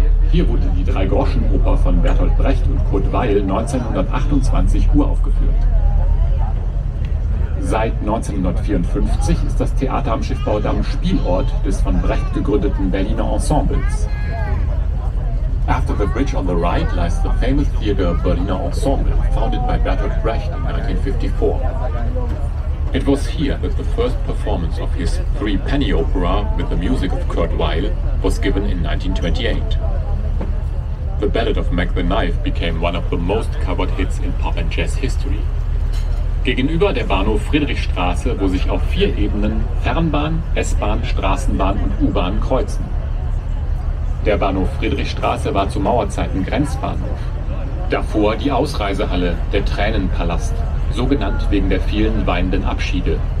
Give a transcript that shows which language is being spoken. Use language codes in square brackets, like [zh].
[de] Hier wurde die Drei-Groschen-Oper von Bertolt Brecht und Kurt Weill 1928 uraufgeführt. Seit 1954 ist das Theater am Schiffbaudamm Spielort des von Brecht gegründeten Berliner Ensembles. [en] After the Bridge on the Right lies the famous theater Berliner Ensemble, founded by Bertolt Brecht in 1954. It was here that the first performance of his Three Penny Opera with the music of Kurt Weill was given in 1928. The Ballad of Mack the Knife became one of the most covered hits in pop and jazz history. [de] Gegenüber der Bahnhof Friedrichstraße, wo sich auf vier Ebenen Fernbahn, S-Bahn, Straßenbahn und U-Bahn kreuzen. Der Bahnhof Friedrichstraße war zu Mauerzeiten Grenzbahnhof. Davor die Ausreisehalle, der Tränenpalast, so genannt wegen der vielen weinenden Abschiede.